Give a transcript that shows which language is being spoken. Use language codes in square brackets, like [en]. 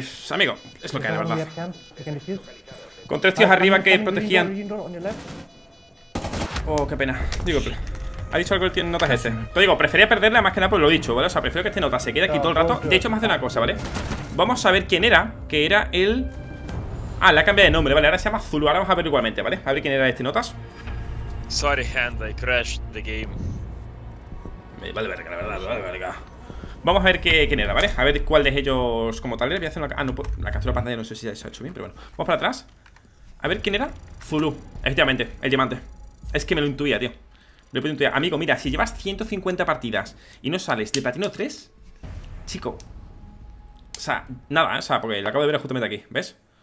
[es] Amigo, es lo que hay, la verdad. Con tres tíos arriba que protegían. Oh, qué pena. Digo, ha dicho algo el tío en notas ese. Te digo, prefería perderla más que nada por lo dicho, ¿vale? O sea, prefiero que este nota se quede aquí todo el rato. De hecho, más de una cosa, ¿vale? Vamos a ver quién era, que era el. Ah, le ha cambiado de nombre, vale. Ahora se llama Zulu. Ahora vamos a ver igualmente, ¿vale? A ver quién era este notas. [en] Sorry, Hand, I crashed the game. [es] Vale, verga, la verdad, vale, verga. Vamos a ver quién era, ¿vale? A ver cuál de ellos como tal era. Voy a hacer una. Ah, no, la captura de pantalla no sé si se ha hecho bien, pero bueno. Vamos para atrás. A ver quién era. Zulu, efectivamente, el diamante. Es que me lo intuía, tío. Me lo intuía. Amigo, mira, si llevas 150 partidas y no sales de platino 3, chico. O sea, nada, o sea, porque lo acabo de ver justamente aquí, ¿ves?